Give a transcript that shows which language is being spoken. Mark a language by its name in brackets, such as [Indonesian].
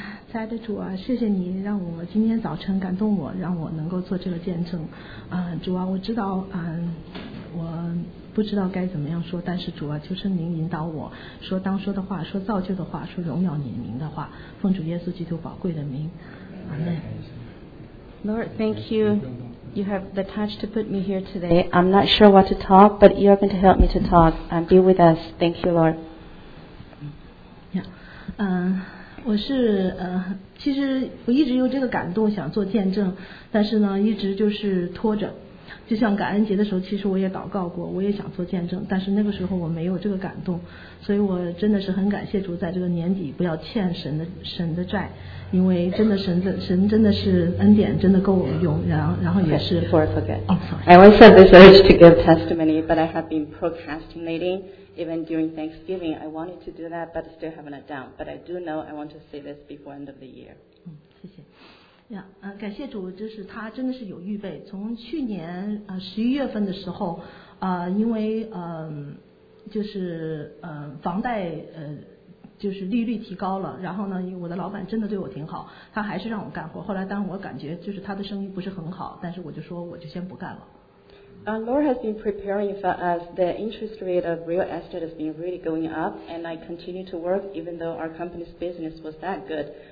[Chinese] 亲爱的主啊，谢谢你让我今天早晨感动我，让我能够做这个见证。主啊，我知道，我不知道该怎么样说，但是主啊，求圣灵引导我说当说的话，说造就的话，说荣耀你名的话。奉主耶稣基督宝贵的名，阿门。 [English] Lord, thank you. You have the touch to put me here today. I'm not sure what to talk, but you are going to help me to talk. And be with us. Thank you, Lord. Yeah. [Chinese] 我是其实我一直有这个感动想做见证，但是呢一直就是拖着。就像感恩节的时候，其实我也祷告过，我也想做见证，但是那个时候我没有这个感动。所以我真的是很感谢主，在这个年底不要欠神的债，因为真的神真的是恩典真的够我用。然后也是 [English] okay, before I forget, I always have this urge to give testimony, but I have been procrastinating even during Thanksgiving. I wanted to do that but still haven't done, but I do know I want to say this before end of the year. [Chinese] 谢谢呀。感谢主，就是他真的是有预备。从去年十一月份的时候，因为就是房贷就是利率提高了，然后呢因为我的老板真的对我挺好，他还是让我干活。后来当我感觉就是他的生意不是很好，但是我就说我就先不干了。 [English] Lord has been preparing for us. The interest rate of real estate has been really going up, and I continue to work even though our company's business was that good.